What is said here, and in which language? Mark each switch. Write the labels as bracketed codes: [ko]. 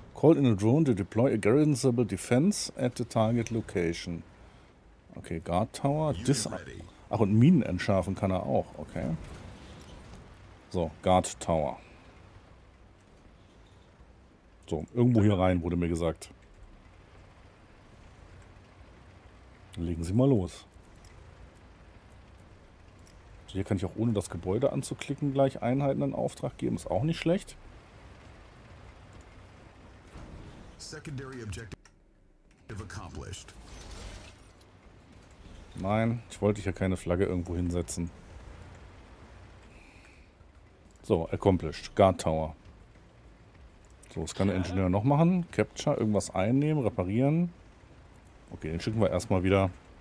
[en] Call in a drone to deploy a garrisonable defense at the target location. [de] Okay, Guard Tower. Ach, und Minen entschärfen kann er auch. Okay. So, Guard Tower. So, irgendwo hier rein, wurde mir gesagt. Legen Sie mal los. So, hier kann ich auch ohne das Gebäude anzuklicken gleich Einheiten in Auftrag geben. Ist auch nicht schlecht. [en] Secondary objective accomplished. [de] Nein, ich wollte ja keine Flagge irgendwo hinsetzen. So, accomplished. Guard Tower. So, was kann der Ingenieur noch machen? Capture, irgendwas einnehmen, reparieren. Okay, den schicken wir erstmal wieder